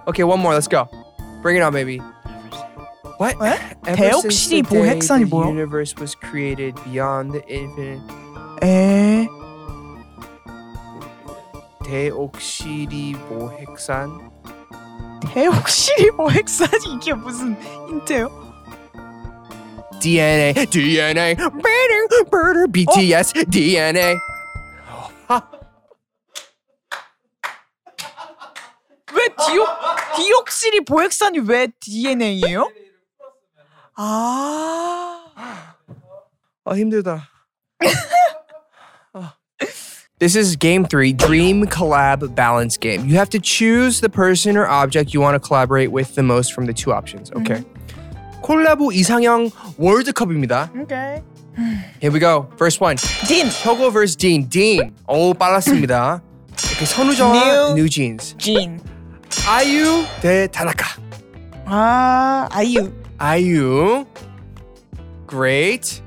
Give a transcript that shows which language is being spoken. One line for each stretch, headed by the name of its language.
English: okay one more let's go Bring it on baby What?
Korean: 네? 대옥시리 보핵산이 뭐야?
English: The universe was created beyond the infinite 에?
Korean: 대옥시리 보핵산? 대옥시리 보핵산? 이게 무슨 힌트예요?
English: DNA, DNA, better, better, BTS, 어? DNA
Korean: 왜 대옥시리 보핵산이 왜 DNA예요? 아... 아 힘들다
English: This is game three, dream collab balance game. You have to choose the person or object you want to collaborate with the most from the two options, okay? Mm-hmm.
Korean: 콜라보 이상형 월드 컵입니다.
English: Okay. Here we go. First one. Dean.
Korean: 효고 vs. Dean. Dean. 오, 빨랐습니다. 이렇게 선우정, New Jeans. Dean. 아이유 대 다나카. 아, 아이유.
English: 아이유. Great.